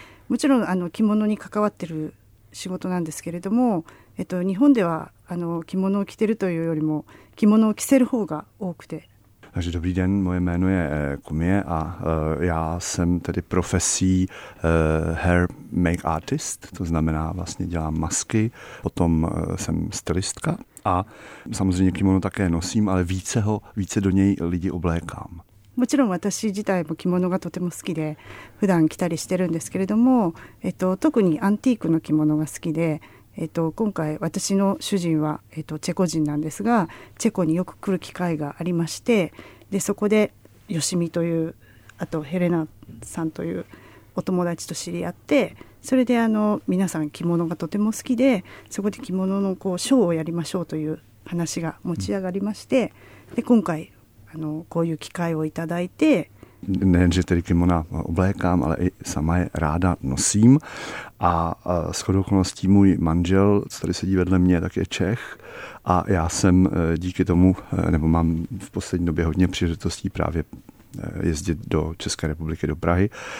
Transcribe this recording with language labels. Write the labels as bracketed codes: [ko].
[ja] もちろんあの着物に関わってる仕事なんですけれども、日本ではあの着物を着てるというよりも着物を着せる方が多くて。 [cs] Takže dobrý den, moje jméno je Kumie a já jsem tedy profesí [en] hair make artist, [cs] to znamená vlastně dělám masky, potom jsem stylistka a samozřejmě kimono také nosím, ale více do něj lidi oblékám. [ja] もちろん私自体も着物がとても好きで普段着たりしてるんですけれども、特にアンティークの着物が好きで、今回私の主人は、チェコ人なんですがチェコによく来る機会がありましてでそこでヨシミというあとヘレナさんというお友達と知り合ってそれであの皆さん着物がとても好きでそこで着物のこうショーをやりましょうという話が持ち上がりましてで今回あのこういう機会をいただいて、 [cs] nejenže tedy kimona oblékám, ale i sama je ráda nosím. A shodou okolností můj manžel, co tady sedí vedle mě, tak je Čech. A já jsem díky tomu, nebo mám v poslední době hodně příležitostí právě jezdit do České republiky, do Prahy.